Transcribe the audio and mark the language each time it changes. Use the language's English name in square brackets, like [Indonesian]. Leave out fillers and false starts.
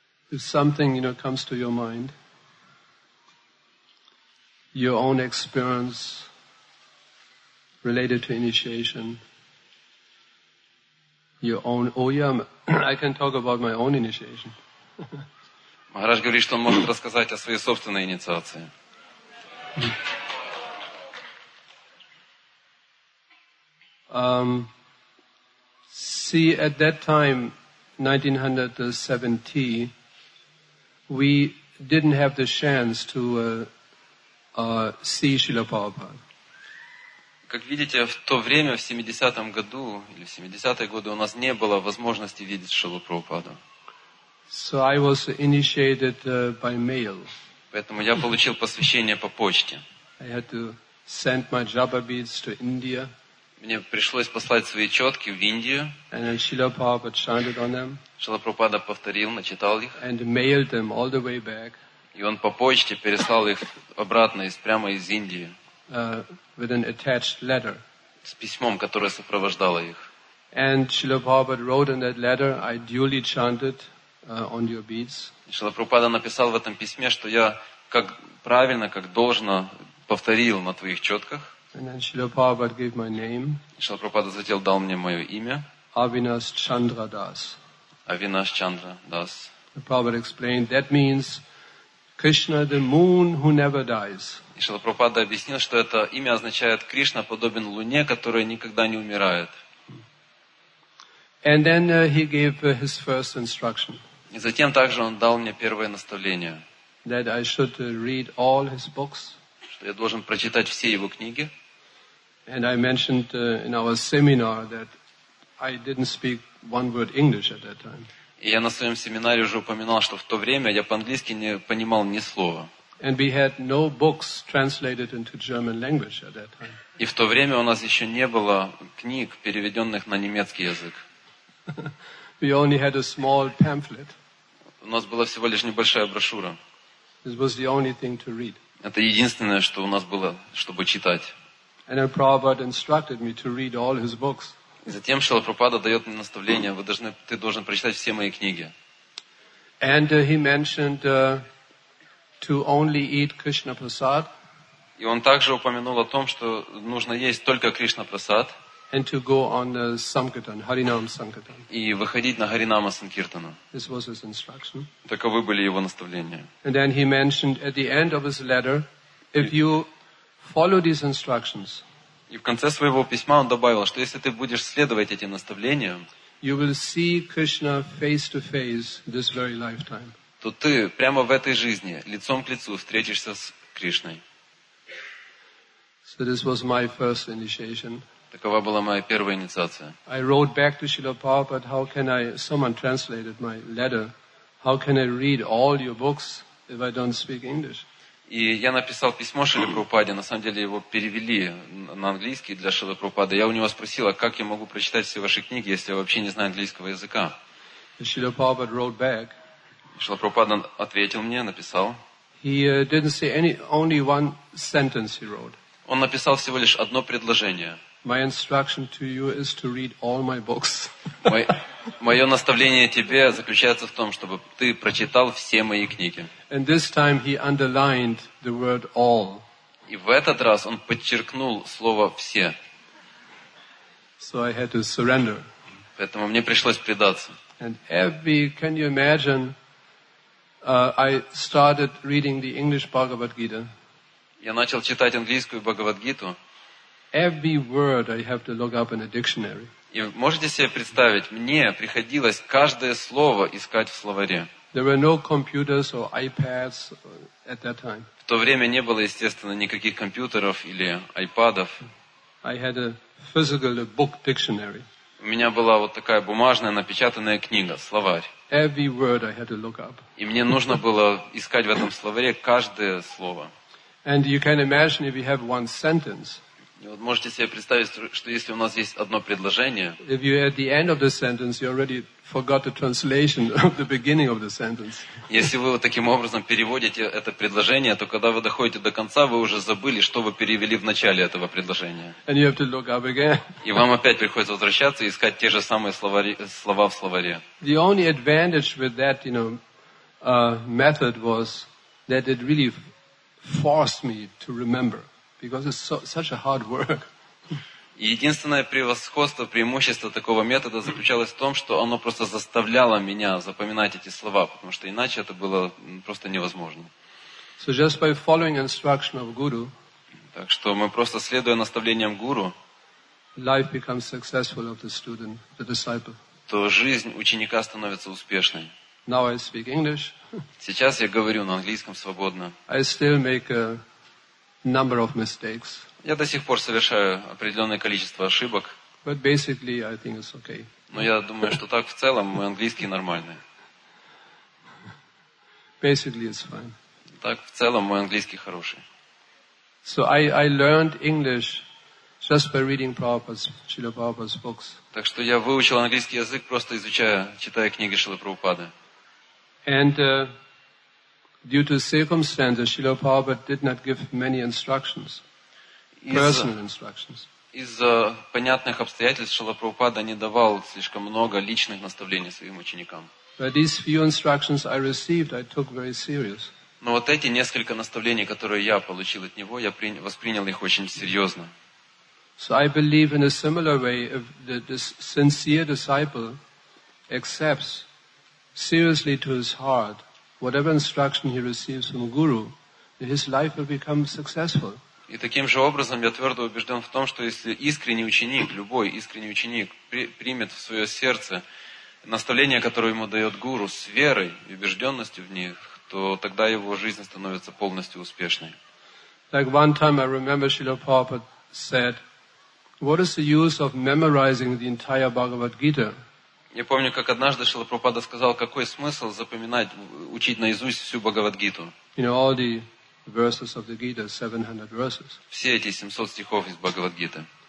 [English] If something, you know, comes to your mind, your own experience related to initiation, your own, I can talk about my own initiation. [Russian] Maharaj говорит, что он может рассказать о своей собственной инициации. [English] See, at that time, 1970, we didn't have the chance to see Srila Prabhupada. [Russian] Как видите, в то время, в 70-м году, или в 70-е годы, у нас не было возможности видеть Шрилу Прабхупаду. [English] So I was initiated by mail. [Russian] Поэтому я получил посвящение по почте. [English] I had to send my japa beads to India. [Russian] Мне пришлось послать свои четки в Индию. [English] And then Srila Prabhupada chanted on them. [Russian] Шрила Прабхупада повторил, начитал их. [English] And mailed them all the way back. [Russian] И он по почте переслал их обратно, прямо из Индии. [English] With an attached letter. [Russian] С письмом, которое сопровождало их. [English] And Srila Prabhupada wrote in that letter, I duly chanted on your beads. [Russian] Шрила Прабхупада написал в этом письме, что я как правильно, как должно повторил на твоих четках. [English] And then Srila Prabhupada gave my name. [Russian] Шрила Прабхупада затем дал мне мое имя. [English] Avinash Chandra Das. Avinash Chandra Das. The Prabhupada explained that means Krishna, the moon who never dies. [Russian] И Шрила Прабхупада объяснил, что это имя означает Кришна подобен луне, которая никогда не умирает. [English] And then he gave his first instruction. [Russian] И затем также он дал мне первое наставление. [English] That I should read all his books. [Russian] Что я должен прочитать все его книги. [English] And I mentioned in our seminar that I didn't speak one word English at that time. [Russian] И я на своем семинаре уже упоминал, что в то время я по-английски не понимал ни слова. [English] And we had no books translated into German language at that time. [Russian] И в то время у нас еще не было книг, переведенных на немецкий язык. [English] We only had a small pamphlet. [Russian] У нас была всего лишь небольшая брошюра. [English] This was the only thing to read. [Russian] Это единственное, что у нас было, чтобы читать. [English] And then Prabhupada instructed me to read all his books. [Russian] И затем Шрила Прабхупада дает мне наставление, ты должен прочитать все мои книги. [English] And he mentioned to only eat Krishna Prasad. [Russian] И он также упомянул о том, что нужно есть только Кришна Прасад. [English] And to go on the Sankirtan, Harinam Sankirtan. [Russian] И выходить на Харинама Санкиртана. [English] This was his instruction. [Russian] Таковы были его наставления. [English] And then he mentioned at the end of his letter, if you follow these instructions. [Russian] И в конце своего письма он добавил, что если ты будешь следовать этим наставлениям, [English] you will see Krishna face to face this very lifetime. [Russian] То ты прямо в этой жизни лицом к лицу встретишься с Кришной. [English] So this was my first initiation. [Russian] Такова была моя первая инициация. [English] I wrote back to Srila Prabhupada, how can I, someone translated my letter, how can I read all your books if I don't speak English? [Russian] И я написал письмо Шриле Прабхупаде, на самом деле его перевели на английский для Шрилы Прабхупады. Я у него спросил, как я могу прочитать все ваши книги, если я вообще не знаю английского языка? [English] Шрила Прабхупада wrote back. [Russian] Шрила Прабхупада ответил мне, написал. [English] He didn't say only one sentence he wrote. [Russian] Он написал всего лишь одно предложение. [English] My instruction to you is to read all my books. [Russian] Мое наставление тебе заключается в том, чтобы ты прочитал все мои книги. [English] And this time he underlined the word all. [Russian] И в этот раз он подчеркнул слово все. [English] So I had to surrender. [Russian] Поэтому мне пришлось предаться. [English] And every, can you imagine, I started reading the English Bhagavad Gita. [Russian] Я начал читать английскую Бхагавад-гиту. [English] Every word I have to look up in a dictionary. [Russian] И можете себе представить, мне приходилось каждое слово искать в словаре. [English] There were no computers or iPads at that time. [Russian] В то время не было, естественно, никаких компьютеров или айпадов. [English] I had a physical book dictionary. [Russian] У меня была вот такая бумажная напечатанная книга, словарь. [English] Every word I had to look up. [Russian] И мне нужно было искать в этом словаре каждое слово. [English] And you can imagine if you have one sentence. [Russian] И вот можете себе представить, что если у нас есть одно предложение, [English] if you are at the end of the sentence, you already forgot the translation of the beginning of the sentence. [Russian] Если вы вот таким образом переводите это предложение, то когда вы доходите до конца, вы уже забыли, что вы перевели в начале этого предложения. [English] And you have to look up again. [Russian] И вам опять приходится возвращаться и искать те же самые слова в словаре. [English] The only advantage with that, you know, method was that it really forced me to remember. Because it's such a hard work. [Russian] Единственное превосходство, преимущество такого метода заключалось в том, что оно просто заставляло меня запоминать эти слова, потому что иначе это было просто невозможно. [English] So just by following instruction of guru, [Russian] так что мы просто следуя наставлениям гуру, [English] life becomes successful of the student, the disciple. [Russian] То жизнь ученика становится успешной. [English] Now I speak English. [Russian] Сейчас я говорю на английском свободно. [English] I still make a number of mistakes. [Russian] Я до сих пор совершаю определенное количество ошибок. [English] But basically, I think it's okay. [Russian] Но я думаю, что так в целом мой английский нормальный. [English] Basically, it's fine. [Russian] Так в целом мой английский хороший. [English] So I learned English just by reading Srila Prabhupada's books. [Russian] Так что я выучил английский язык просто изучая, читая книги Шрилы Прабхупады. [English] And due to circumstances, Srila Prabhupada did not give many instructions, personal instructions. [Russian] Из-за понятных обстоятельств Шрила Прабхупада не давал слишком много личных наставлений своим ученикам. [English] But these few instructions I received, I took very serious. [Russian] Но вот эти несколько наставлений, которые я получил от него, я воспринял их очень серьезно. [English] So I believe in a similar way, if the sincere disciple accepts seriously to his heart whatever instruction he receives from guru, his life will become successful. [Russian] И таким же образом я твердо убежден в том, что если искренний ученик, любой искренний ученик, примет в свое сердце наставление, которое ему дает гуру, с верой и убежденностью в них, то тогда его жизнь становится полностью успешной. [English] Like one time I remember Srila Prabhupada said, what is the use of memorizing the entire Bhagavad Gita? [Russian] Я помню, как однажды Шрила Прабхупада сказал, какой смысл запоминать, учить наизусть всю Бхагавад-гиту. [English] You know, all the verses of the Gita, 700 verses. [Russian] Все эти 700 стихов из Бхагавад-гиты.